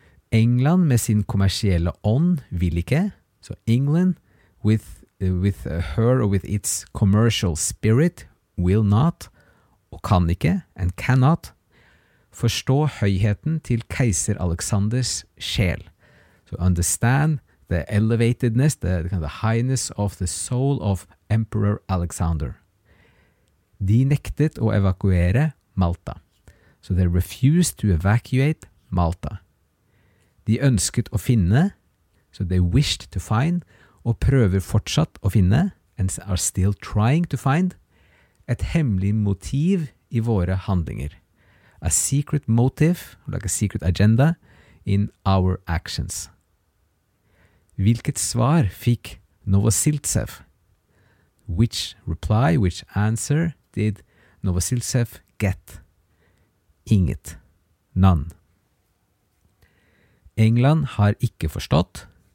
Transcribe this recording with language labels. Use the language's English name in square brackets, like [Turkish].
[Norwegian] England med sin kommersielle ånd vil ikke. Så England [English] with her or with its commercial spirit will not [Norwegian] og kan ikke [English] and cannot [Norwegian] forstå høyheten til keiser Alexanders sjel. [English] So understand the elevatedness, the highness of the soul of Emperor Alexander. [Norwegian] De nektet å evakuere Malta. [English] So they refused to evacuate Malta. [Norwegian] De ønsket å finne, [English] so they wished to find, [Norwegian] og prøver fortsatt å finne, [English] and are still trying to find, [Norwegian] et hemmelig motiv I våre handlinger. [English] A secret motive, like a secret agenda, in our actions. [Norwegian] Hvilket svar fikk Novosiltsev? [English] Which reply, which answer did Novosiltsev get? [Norwegian] Inget. [English] None. [Norwegian] England har ikke forstått.